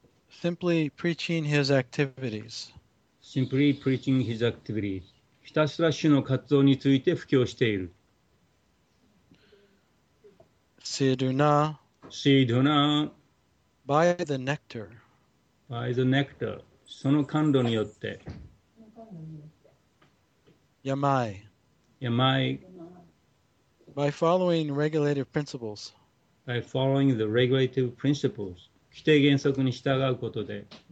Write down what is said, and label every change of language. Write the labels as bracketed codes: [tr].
[en] Simply preaching his activities. Simply preaching his activities. [ja] ひたすら主の活動について布教している。 [sa] Sidhuna. Sidhuna. [en] By the nectar. By the nectar. [ja] その甘露によって。 [sa] Yamai. Yamai. [en] By following regulative principles. By following the regulative principles. [ja] 規定原則に従うことで。